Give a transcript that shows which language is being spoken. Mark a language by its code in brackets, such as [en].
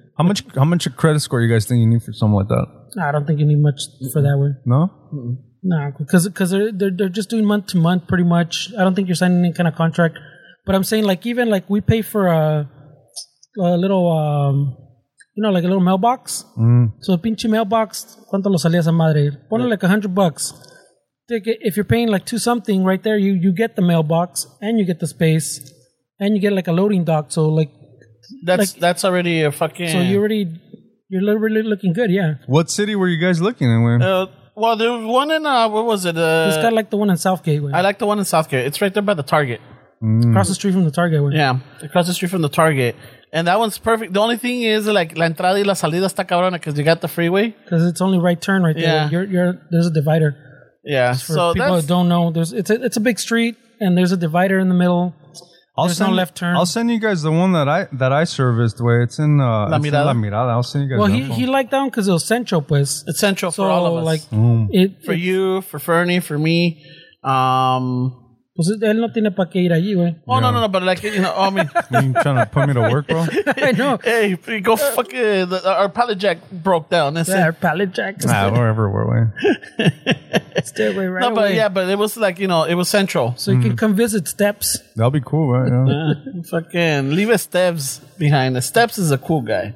[en] How much a credit score you guys think you need for something like that? I don't think you need much for that, way. No? Mm-mm. No, because they're just doing month to month, pretty much. I don't think you're signing any kind of contract. But I'm saying, like, even, like, we pay for a little, you know, like a little mailbox. Mm. [es] So, a pinche mailbox, ¿cuánto lo salía esa madre? [en] Ponle, yeah, like $100. If you're paying, like, two something right there, you get the mailbox and you get the space. And you get like a loading dock, so like that's already a fucking. So you're literally looking good, yeah. What city were you guys looking in? Well, the one in it's got like the one in Southgate. I like the one in Southgate. It's right there by the Target, Across the street from the Target. Wait. Yeah, across the street from the Target, and that one's perfect. The only thing is like [es] la entrada y la salida está cabrona [en] because you got the freeway. Because it's only right turn right there. Yeah. There's a divider. Yeah. Just for so people that don't know, it's a big street and there's a divider in the middle. I'll send you guys the one that I serviced, way. It's in La Mirada. I'll send you guys. Well, he liked that one because it was central, pues. It's central, so for all of us. Like, for you, for Fernie, for me. [es] Pues él no tiene para qué ir allí, güey. [en] Oh, yeah. No, but like, you know, I mean. You trying to put me to work, bro? I know. Hey, go fuck it. Our pallet jack broke down. That's our pallet jack. Nah, wherever we're away. Stairway right No, but away. Yeah, but it was like, you know, it was central. So you can come visit Steps. That'll be cool, right? Yeah. Fucking leave a Steps behind. The Steps is a cool guy.